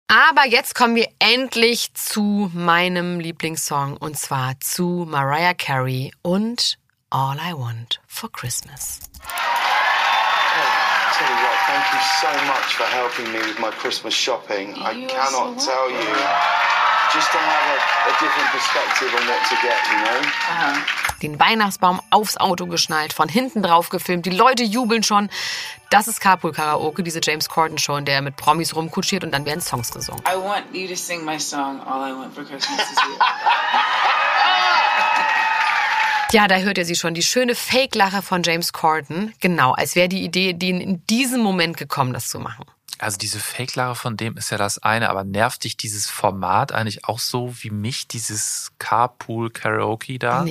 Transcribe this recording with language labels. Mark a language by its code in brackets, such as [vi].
[de] Aber jetzt kommen wir endlich zu meinem Lieblingssong, und zwar zu Mariah Carey und All I Want for Christmas. [en] Hey, tell you what, thank you so much for helping me with my Christmas shopping. I cannot tell you, just to have a different perspective on what to get, you know? [de] Den Weihnachtsbaum aufs Auto geschnallt, von hinten drauf gefilmt, die Leute jubeln schon. Das ist Carpool Karaoke, diese James Corden Show, in der er mit Promis rumkutschiert und dann werden Songs gesungen. [en] I want you to sing my song, All I Want for Christmas is You. [de] Ja, da hört ihr sie schon, die schöne Fake-Lache von James Corden. Genau, als wäre die Idee, denen in diesem Moment gekommen, das zu machen. Also diese Fake-Lache von dem ist ja das eine, aber nervt dich dieses Format eigentlich auch so wie mich, dieses Carpool Karaoke da?